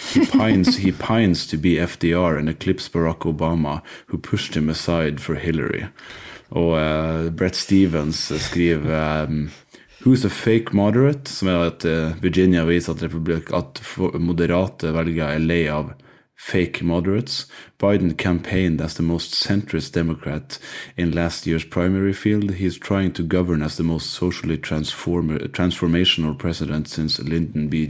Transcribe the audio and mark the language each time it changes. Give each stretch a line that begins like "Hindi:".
English: He pines to be FDR and eclipse Barack Obama, who pushed him aside for Hillary.
Norwegian: Og Brett Stevens skriver
English: «Who's a fake moderate?»,
Norwegian: som er at Virginia viser at moderate velger er lei av
English: fake moderates. «Biden campaigned as the most centrist Democrat in last year's primary field. He's trying to govern as the most socially transformational president since Lyndon B.